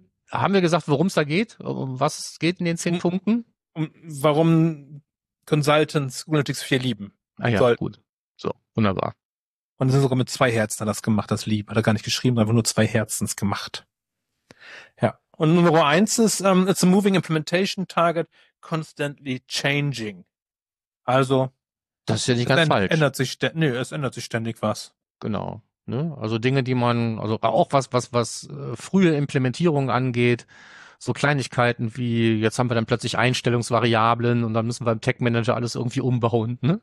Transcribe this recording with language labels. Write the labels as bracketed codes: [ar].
[de] Haben wir gesagt, worum es da geht? Um was geht in den 10 Punkten? Warum Consultants Google Analytics 4 lieben. Ah ja, soll. Gut. So, wunderbar. Und es ist sogar mit 2 Herzen hat das gemacht, das Lieb. Hat er gar nicht geschrieben, einfach nur 2 Herzens gemacht. Ja. Und Nummer 1 ist, [en] it's a moving implementation target, constantly changing. [de] Also. Das ist ja nicht ganz falsch. Es ändert sich ständig was. Genau. Ne? Also Dinge, die man, also auch was frühe Implementierung angeht. So Kleinigkeiten wie, jetzt haben wir dann plötzlich Einstellungsvariablen und dann müssen wir im Tech Manager alles irgendwie umbauen, ne?